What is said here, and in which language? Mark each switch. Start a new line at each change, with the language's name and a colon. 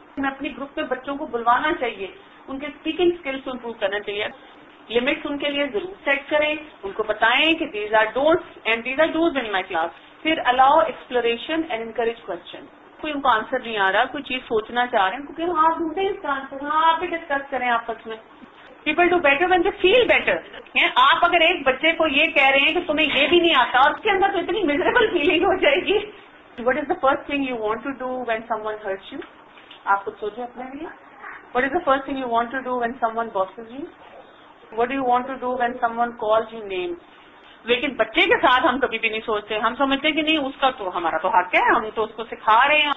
Urdu: میں اپنی گروپ میں بچوں کو بلوانا چاہیے، ان کے اسپیکنگ اسکلس کو امپروو کرنا چاہیے. لمٹس ان کے لیے ضرور سیٹ کریں، ان کو بتائیں کہ
English: These are don'ts and these are dos in my class.
Urdu: پھر
English: Allow exploration and encourage question.
Urdu: کوئی ان کو آنسر نہیں آ رہا، کوئی چیز سوچنا چاہ رہے ہیں، ان کو کہ آپ ڈھونڈیں اس کا آنسر، ہاں آپ بھی ڈسکس کریں آپس میں.
English: People do better when they feel better.
Urdu: آپ اگر ایک بچے کو یہ کہہ رہے ہیں کہ تمہیں یہ بھی نہیں آتا، اور اس کے اندر تو اتنی مزریبل فیلنگ ہو جائے گی.
English: What is the first thing you want to do when someone hurts you?
Urdu: آپ خود سوچیں اپنے لیے.
English: What is the first thing you want to do when someone bosses you? What do you want to do when someone calls you name?
Urdu: لیکن بچے کے ساتھ ہم کبھی بھی نہیں سوچتے، ہم سمجھتے ہیں کہ نہیں اس کا تو ہمارا تو حق ہے، ہم تو اس کو سکھا رہے ہیں.